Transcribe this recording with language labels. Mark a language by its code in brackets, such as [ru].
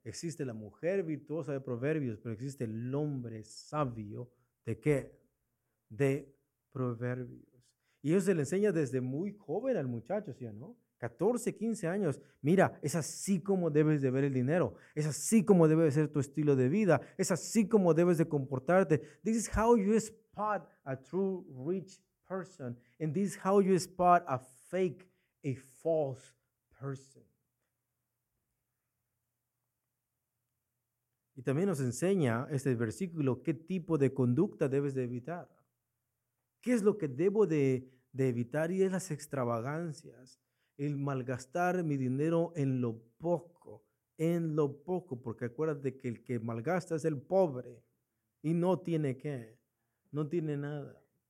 [es] Existe la mujer virtuosa de Proverbios, pero existe el hombre sabio ¿de qué? De Proverbios. Y eso se le enseña desde muy joven al muchacho, ¿sí o no? 14, 15 años. Mira, es así como debes de ver el dinero. Es así como debe de ser tu estilo de vida. Es así como debes de comportarte. [en] This is how you spot a true rich person. And this is how you spot a fake, a false person. [es] Y también nos enseña este versículo qué tipo de conducta debes de evitar. ¿Qué es lo que debo de evitar? Y es las extravagancias, el malgastar mi dinero en lo poco, porque acuérdate que el que malgasta es el pobre y no tiene qué, no tiene nada.